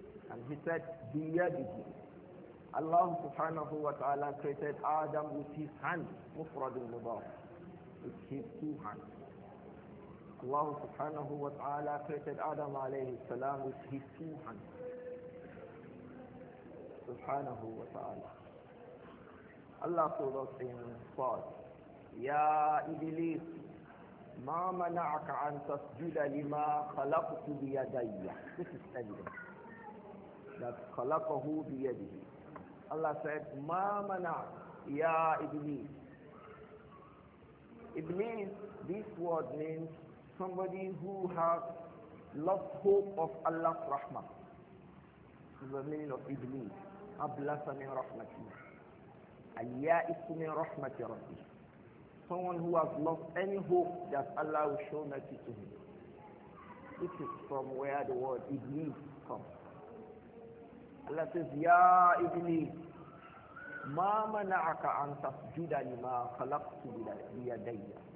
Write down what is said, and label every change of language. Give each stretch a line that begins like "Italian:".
English: And he said, بِيَدِهِ. Allah subhanahu wa ta'ala created Adam with his hand, مُفْرَدُ الْمُضَافِ, with his two hands. Allah subhanahu wa ta'ala created Adam alayhi salam with his two hands. Subhanahu wa ta'ala.
Arabic: Allah told us in part, يَا إِبْلِيسُ ما منعك أن تسجد لما خلقت بيدي.
English: This is evidence that خلقه بيده.
Arabic: Allah said, ما منع يا إبليس.
English: إبليس, this word means somebody who has lost hope of Allah's rahmah. This is the meaning of إبليس.
Arabic: أبلس من رحمتي اليائس من رحمتي ربي.
English: Someone who has lost any hope that Allah will show mercy to him. This is from where the word Iblis comes. Allah says, Ya Iblis, ma mana'aka an tasjuda lima khalaqtu biyadayya.